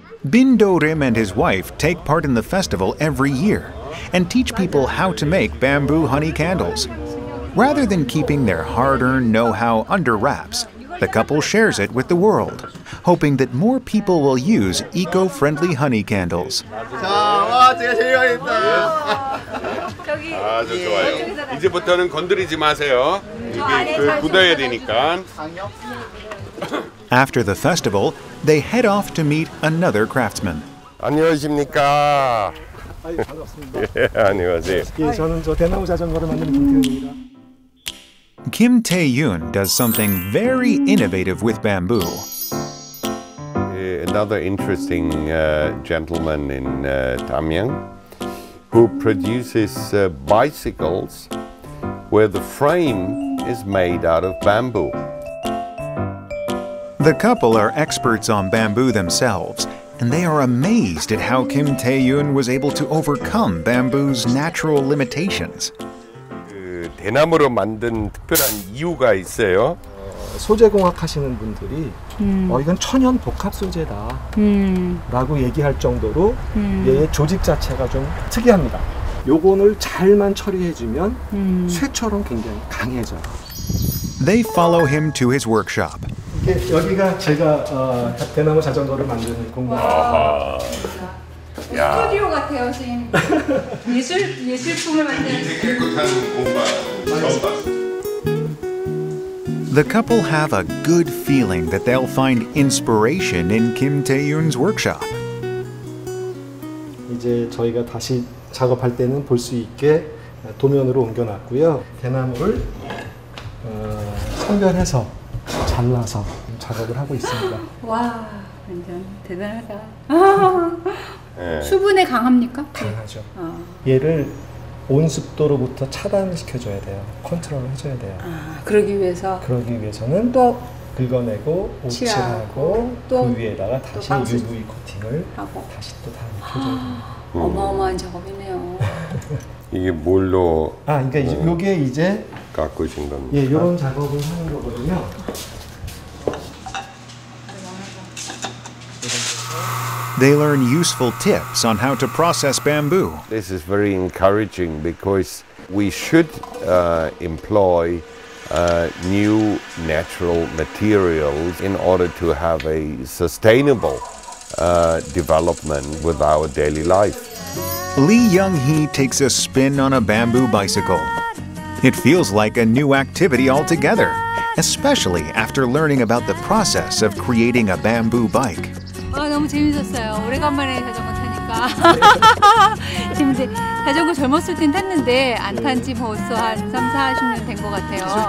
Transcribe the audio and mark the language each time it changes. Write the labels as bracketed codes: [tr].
[en] Bin Do-rim and his wife take part in the festival every year and teach people how to make bamboo honey candles. Rather than keeping their hard-earned know-how under wraps, the couple shares it with the world, hoping that more people will use eco-friendly honey candles. [ko] 자, 와, 제가 제일 좋아했다. 저기 아, 저 좋아요. 이제부터는 건드리지 마세요. 이게 굳어야 되니까. [en] After the festival, they head off to meet another craftsman. [ko] 안녕하십니까? 반갑습니다. 예, 안녕하세요. 예, 저는 저 대나무 자전거를 만드는 김태훈입니다. [en] Kim Tae-yun does something very innovative with bamboo. Another interesting gentleman in Damyang who produces bicycles where the frame is made out of bamboo. The couple are experts on bamboo themselves, and they are amazed at how Kim Tae-yun was able to overcome bamboo's natural limitations. [ko] 대나무로 만든 특별한 이유가 있어요. 소재 공학 하시는 분들이 이건 천연 복합 소재다 라고 얘기할 정도로 얘의 조직 자체가 좀 특이합니다. 요건을 잘만 처리해주면 쇠처럼 굉장히 강해져요. [en] They follow him to his workshop. [ko] 여기가 제가 대나무 자전거를 만드는 공간. 스튜디오 같아요, 선생님. 예술품을 만드는 공간. [en] The couple have a good feeling that they'll find inspiration in Kim Tae-yun's workshop. [ko] 이제 저희가 다시 작업할 때는 볼 수 있게 도면으로 옮겨놨고요. 대나무를 선별해서 잘라서 작업을 하고 있습니다. 와, 완전 대단하다. 수분에 강합니까? 강하죠. 얘를 온 습도로부터 차단을 시켜줘야 돼요. 컨트롤을 해줘야 돼요. 그러기 위해서? 그러기 위해서는 또 긁어내고 오칠하고 또 그 위에다가 다시 또 UV 코팅을 하고 다시 또 다른 표정. 어마어마한 작업이네요. 이게 뭘로? 아, 그러니까 이게 이제 깎으신 겁니다. 예, 이런 작업을 하는 거거든요. [en] They learn useful tips on how to process bamboo. This is very encouraging because we should employ new natural materials in order to have a sustainable development with our daily life. Lee Yeong-hee takes a spin on a bamboo bicycle. It feels like a new activity altogether, especially after learning about the process of creating a bamboo bike. [ko] 너무 재밌었어요. 오래간만에 자전거 타니까. 지금 이제 자전거 젊었을 땐 탔는데 안 탄 지 벌써 한 3, 40년 된 것 같아요.